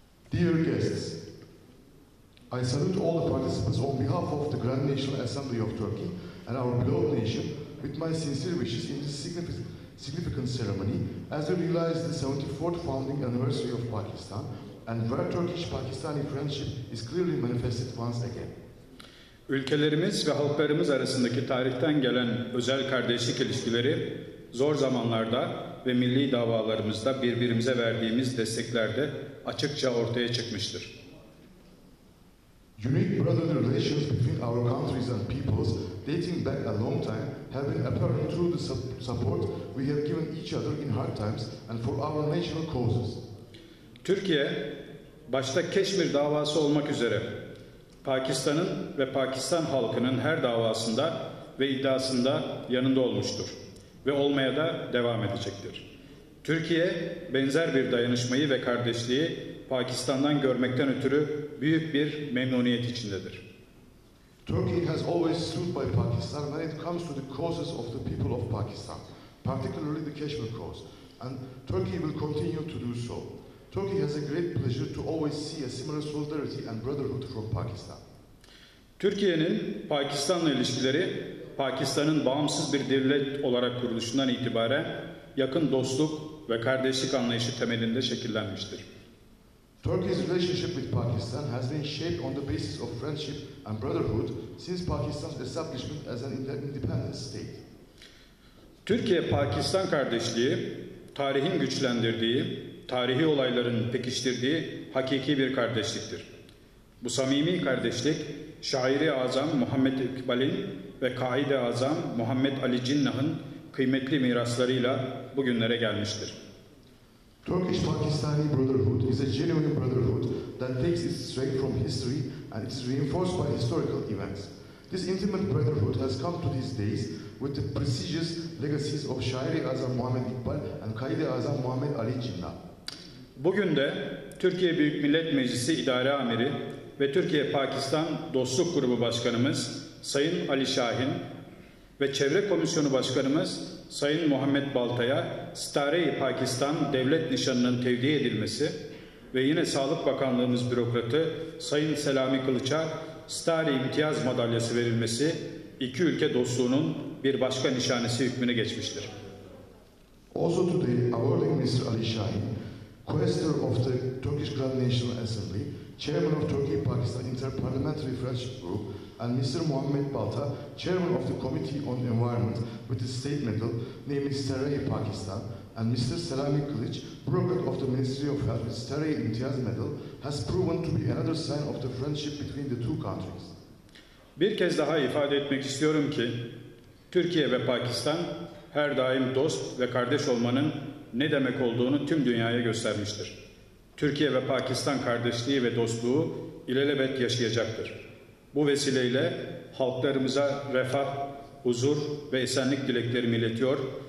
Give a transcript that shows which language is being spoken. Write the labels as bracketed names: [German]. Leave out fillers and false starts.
[English] Dear guests, I salute all the participants on behalf of the Grand National Assembly of Turkey and our beloved nation with my sincere wishes in this significant ceremony as we realize the 74th founding anniversary of Pakistan and where Turkish-Pakistani friendship is clearly manifested once again. [Turkish] Ülkelerimiz ve halklarımız arasındaki tarihten gelen özel kardeşlik ilişkileri zor zamanlarda ve milli davalarımızda birbirimize verdiğimiz desteklerde açıkça ortaya çıkmıştır. [English] Unique brotherly relations between our countries and peoples dating back a long time, having apparent through the support we have given each other in hard times and for our national causes. [Turkish] Türkiye, başta Keşmir davası olmak üzere, Pakistan'ın ve Pakistan halkının her davasında ve iddiasında yanında olmuştur ve olmaya da devam edecektir. Türkiye, benzer bir dayanışmayı ve kardeşliği Pakistan'dan görmekten ötürü büyük bir memnuniyet içindedir. [English] Turkey has always stood by Pakistan when it comes to the causes of the people of Pakistan, particularly the Kashmir cause, and Turkey will continue to do so. Turkey has a great pleasure to always see a similar solidarity and brotherhood from Pakistan. [Turkish] Türkiye'nin Pakistan'la ilişkileri, Pakistan'ın bağımsız bir devlet olarak kuruluşundan itibaren yakın dostluk ve kardeşlik anlayışı temelinde şekillenmiştir. [English] Turkey's relationship with Pakistan has been shaped on the basis of friendship and brotherhood since Pakistan's establishment as an independent state. [Turkish] Türkiye-Pakistan kardeşliği, tarihin güçlendirdiği, tarihi olayların pekiştirdiği hakiki bir kardeşliktir. Bu samimi kardeşlik, şair-i azam Muhammed İkbal'in ve kaid-i azam Muhammed Ali Cinnah'ın kıymetli miraslarıyla bugünlere gelmiştir. [English] Turkish-Pakistani brotherhood is a genuine brotherhood that takes its strength from history and is reinforced by historical events. This intimate brotherhood has come to these days with the prestigious legacies of Şair-i Azam Muhammed İkbal and Kaid-i Azam Muhammed Ali Cinnah. [Turkish] Bugün de Türkiye Büyük Millet Meclisi İdare Amiri ve Türkiye-Pakistan Dostluk Grubu Başkanımız Sayın Ali Şahin ve Çevre Komisyonu Başkanımız Sayın Muhammed Baltay'a Sitare-i Pakistan devlet nişanının tevdi edilmesi ve yine Sağlık Bakanlığımız bürokratı Sayın Selami Kılıç'a Sitare-i İmtiyaz Madalyası verilmesi iki ülke dostluğunun bir başka nişanesi hükmüne geçmiştir. [English] Also today, awarding Mr. Ali Şahin, Quaestor of the Turkish Grand National Assembly, Chairman of Turkey-Pakistan Interparliamentary Friendship Group, and Mr. Muhammed Balta, Chairman of the Committee on Environment, with the state medal, namely Sitare-i Pakistan, and Mr. Selami Kılıç, Bureaucrat of the Ministry of Health with Sitare-i İmtiyaz Medal, has proven to be another sign of the friendship between the two countries. [Turkish] Bir kez daha ifade etmek istiyorum ki, Türkiye ve Pakistan, her daim dost ve kardeş olmanın ne demek olduğunu tüm dünyaya göstermiştir. Türkiye ve Pakistan kardeşliği ve dostluğu ilelebet yaşayacaktır. Bu vesileyle halklarımıza refah, huzur ve esenlik dileklerimi iletiyor.